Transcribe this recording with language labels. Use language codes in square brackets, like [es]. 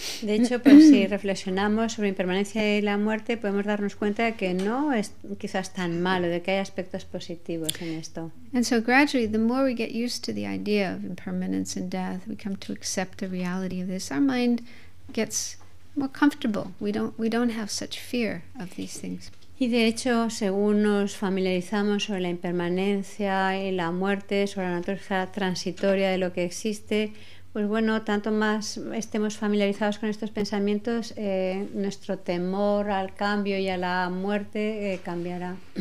[es] De hecho, pues si reflexionamos sobre impermanencia y la muerte, podemos darnos cuenta de que no es quizás tan malo, de que hay aspectos positivos en esto. [en] And so gradually, the more we get used to the idea of impermanence and death, we come to accept the reality of this, our mind gets more comfortable. We don't have such fear of these things. [es] Y de hecho, según nos familiarizamos sobre la impermanencia y la muerte, sobre la naturaleza transitoria de lo que existe, pues bueno, tanto más estemos familiarizados con estos pensamientos, nuestro temor al cambio y a la muerte cambiará.